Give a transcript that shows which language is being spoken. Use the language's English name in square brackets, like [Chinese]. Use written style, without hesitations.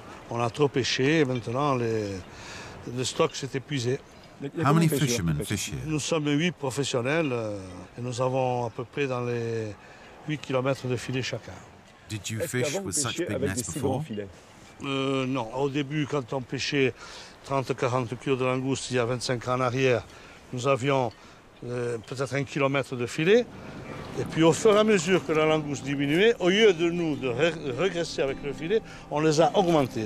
[French] On a trop pêché et maintenant le stock s'est épuisé. [English] How many fishermen fish here? [French] Nous sommes 8 professionnels et nous avons à peu près dans les 8 kilomètres de filet chacun. [English] Did you fish with such big nets before? [French] Non, au début quand on pêchait 30-40 kilos de langoustes il y a 25 ans en arrière, nous avions peut-être 1 kilomètre de filet. Et puis au fur et à mesure que la langouste diminuait, au lieu de nous de régresser avec le filet, on les a augmentés.